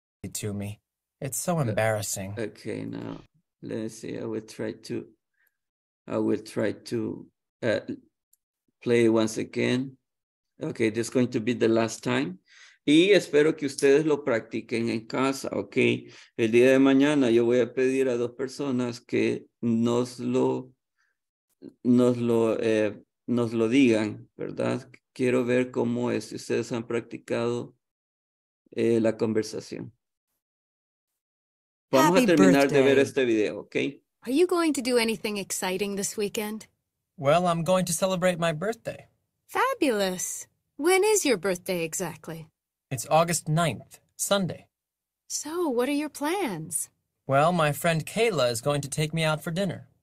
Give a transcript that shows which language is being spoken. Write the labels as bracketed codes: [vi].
[en] To me. It's so embarrassing. Okay, now let's see. I will try to play once again. Okay, this is going to be the last time. [es] Y espero que ustedes lo practiquen en casa, okay? El día de mañana yo voy a pedir a dos personas que nos lo digan, ¿verdad? Quiero ver cómo es si ustedes han practicado la conversación. Vamos [en] Happy [es] a terminar [en] birthday. [es] De ver este video, okay? [en] Are you going to do anything exciting this weekend? Well, I'm going to celebrate my birthday. Fabulous. When is your birthday exactly? It's August 9th, Sunday. So, what are your plans? Well, my friend Kayla is going to take me out for dinner.